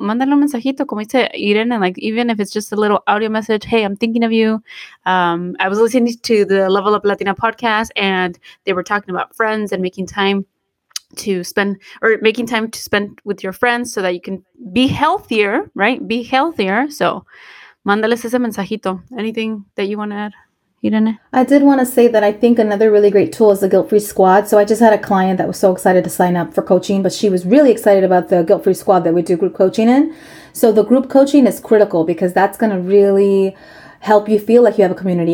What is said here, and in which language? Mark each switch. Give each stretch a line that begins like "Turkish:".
Spanish: Mándale un mensajito, como dice Irene,
English: and like even if it's just a little audio message, hey, I'm thinking of you. I was listening to the Level Up Latina podcast and they were talking about friends and making time to spend with your friends so that you can be healthier, right? Be healthier. So
Spanish: mándales ese mensajito.
English: Anything that you want to add? I did want to say that I think another really great tool is the guilt-free squad. So I just had a client that was so excited to sign up for coaching, but she was really excited about the guilt-free squad that we do group coaching in. So the group coaching is critical because that's going to really help you feel like you have a community.